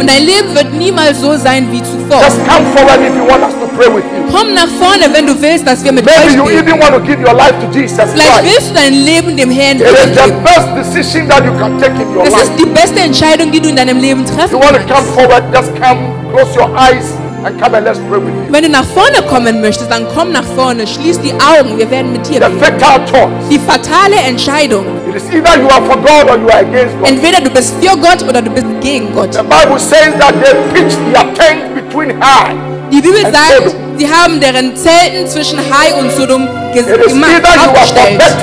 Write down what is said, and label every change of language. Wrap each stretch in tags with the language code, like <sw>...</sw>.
<de>Und dein Leben wird niemals so sein wie zuvor.</de> <en>Just come forward if you want us to pray with you.</en> <de>Komm nach vorne, wenn du willst, dass wir mit</de> <en>Maybe</en> <de>euch beten.</de> <en>Maybe you even want to give your life to Jesus Christ.</en> <de>Vielleicht willst du dein Leben dem Herrn geben.</de> <en>It is the best decision that you can take in your life.</en> <de>Das ist die beste Entscheidung, die du in deinem Leben treffen kannst.</de> <en>You want to come forward, just come, close your eyes and come and let's pray with you.</en> <de>Wenn du nach vorne kommen möchtest, dann komm nach vorne, schließ die Augen, wir werden mit dir</de> <en>the</en> <de>beten.</de> <en>Fatal choice.</en> <de>Die fatale Entscheidung.</de> <en>It is either you are for God or you are against God.</en> <de>Entweder du bist für Gott oder du bist gegen Gott.</de> <en>The Bible says that they pitched their tent between her.</en> <de>Die Bibel sagt, sie haben deren Zelten zwischen Hai und Sodom gemacht, aufgestellt.</de>